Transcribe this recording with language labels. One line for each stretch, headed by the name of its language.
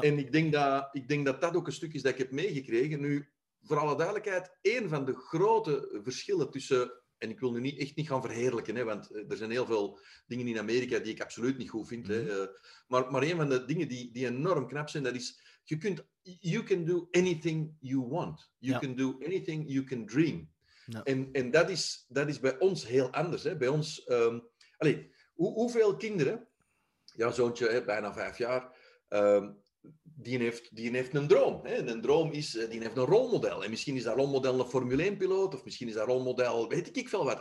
Dutch: En ik denk dat ook een stuk is dat ik heb meegekregen nu. Voor alle duidelijkheid, één van de grote verschillen tussen... En ik wil nu echt niet gaan verheerlijken, hè, want er zijn heel veel dingen in Amerika die ik absoluut niet goed vind. Mm-hmm. Hè, maar één van de dingen die enorm knap zijn, dat is...
English: You can do anything you want. You can do anything you can dream.
Dutch: Ja. En dat is bij ons heel anders. Hè. Bij ons... hoeveel kinderen... Ja, zoontje, hè, bijna 5 jaar... Die heeft een droom. Hè? En een droom is, die heeft een rolmodel. En misschien is dat rolmodel een Formule 1-piloot, of misschien is dat rolmodel, weet ik veel wat.